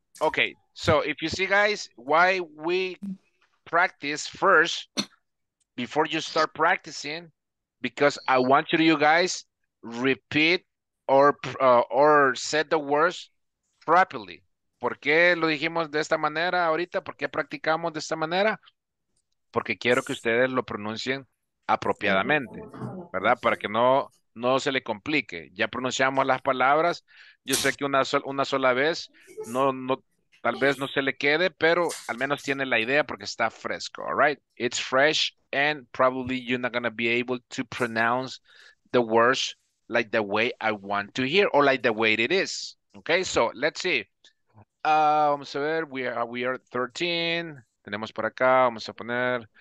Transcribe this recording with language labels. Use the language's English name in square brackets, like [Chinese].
[English] Okay, so if you see, guys, why we practice first before you start practicing, because I want you guys repeat or say the words properly. [Spanish] ¿Por qué lo dijimos de esta manera ahorita? ¿Por qué practicamos de esta manera? Porque quiero que ustedes lo pronuncien apropiadamente, ¿verdad? Para que no se le complique. Ya pronunciamos las palabras. Yo sé que una sola vez tal vez no se le quede, pero al menos tiene la idea porque está fresco. [English] All right? It's fresh and probably you're not going to be able to pronounce the words like the way I want to hear or like the way it is. Okay? So, let's see. [Spanish] Vamos a ver. [English] We are 13. [Spanish] Tenemos por acá. Vamos a poner.